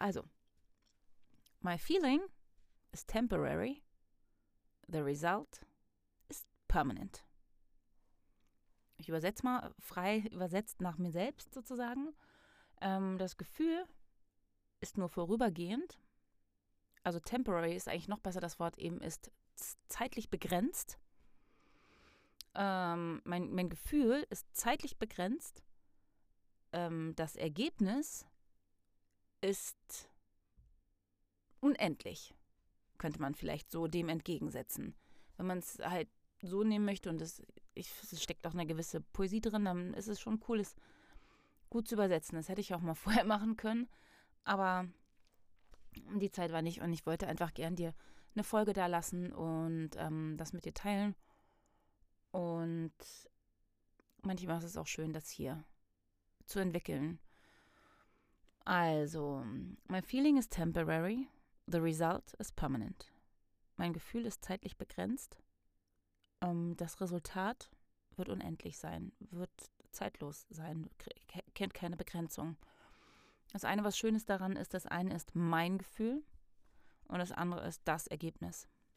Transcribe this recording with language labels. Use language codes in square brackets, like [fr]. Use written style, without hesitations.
[en] Also, my feeling is temporary, the result is permanent. [de] Ich übersetze mal frei übersetzt nach mir selbst sozusagen. Das Gefühl ist nur vorübergehend. Also temporary ist eigentlich noch besser, das Wort eben ist zeitlich begrenzt. Mein Gefühl ist zeitlich begrenzt. Das Ergebnis ist unendlich, könnte man vielleicht so dem entgegensetzen. Wenn man es halt so nehmen möchte und es steckt auch eine gewisse Poesie drin, dann ist es schon cool, es gut zu übersetzen. Das hätte ich auch mal vorher machen können, aber die Zeit war nicht und ich wollte einfach gern dir eine Folge da lassen und das mit dir teilen. Und manchmal ist es auch schön, das hier zu entwickeln. [en] Also, my feeling is temporary, the result is permanent. [de] Mein Gefühl ist zeitlich begrenzt. Das Resultat wird unendlich sein, wird zeitlos sein, kennt keine Begrenzung. Das eine, was schön ist daran, ist, das eine ist mein Gefühl. Und das andere ist das Ergebnis.